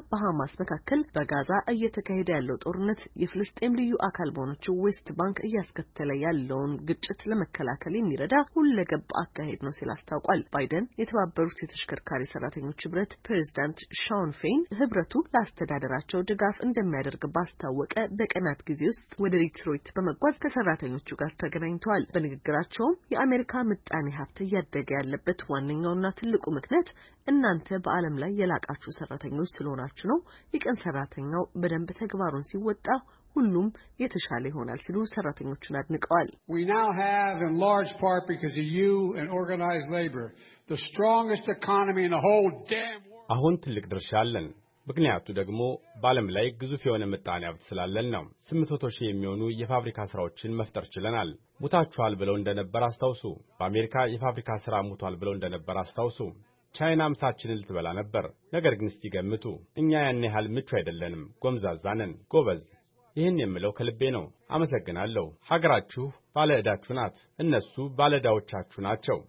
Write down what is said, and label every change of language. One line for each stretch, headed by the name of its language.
Amharic: በሐማስ መካከል በጋዛ እየተካሄደ ያለው ጦርነት የፍልስጤም ልዩ አካል በሆነች ዌስት ባንክ እያስከተለ ያለውን ግጭት ለመከላከል የሚረዳ ሁለገብ አካሄድ ነው ሲል አስታውቋል። ባይደን የተባበሩት የተሽከርካሪ ሰራተኞች ህብረት ፕሬዝዳንት ሻውን ፌን ህብረቱ ለአስተዳደራቸው ድጋፍ እንደሚያደርግ ባስታወቀ በቀናት ጊዜ ውስጥ ወደ ዲትሮይት በመጓዝ ከሰራተኞቹ ጋር ተገናኝተዋል። በንግግራቸውም የአሜሪካ ምጣኔ ሀብት እያደገ ያለበት ዋነኛውና ትልቁ ምክንያት እናንተ በዓለም ላይ የላቃችሁ ሰራተኞች ስለሆናችሁ ነው። የቀን ሰራተኛው በደንብ ተግባሩን ሲወጣ ሁሉም የተሻለ ይሆናል ሲሉ ሰራተኞቹን አድንቀዋል።
English: We now have in large part because of you and organized labor the strongest economy in the whole damn world.
Amharic: አሁን ትልቅ ድርሻ አለን። ምክንያቱ ደግሞ በዓለም ላይ ግዙፍ የሆነ ምጣኔ ሀብት ስላለን ነው። 800 ሺህ የሚሆኑ የፋብሪካ ስራዎችን መፍጠር ችለናል። ሙታቸዋል ብለው እንደነበር አስተውሱ። በአሜሪካ የፋብሪካ ስራ ሙቷል ብለው እንደነበር አስተውሱ። ቻይና ምሳችንን ልትበላ ነበር። ነገር ግን እስቲ ገምቱ፣ እኛ ያን ያህል ምቹ አይደለንም። ጎምዛዛ ነን። ጎበዝ፣ ይህን የምለው ከልቤ ነው። አመሰግናለሁ። ሀገራችሁ ባለ ዕዳችሁ ናት፣ እነሱ ባለ ዕዳዎቻችሁ ናቸው።